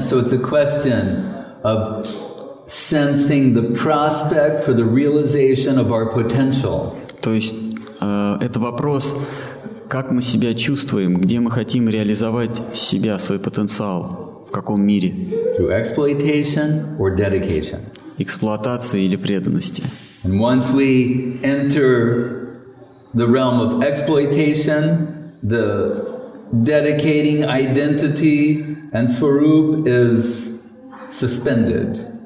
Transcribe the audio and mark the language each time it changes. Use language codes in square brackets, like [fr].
[en] So it's a question of sensing the prospect for the realization of our potential. [ru] То есть это вопрос, как мы себя чувствуем, где мы хотим реализовать себя, свой потенциал, в каком мире. [en] Through exploitation or dedication? [ru] Эксплуатации или преданности. [en] And once we enter the realm of exploitation, the dedicating identity and swaroop is suspended.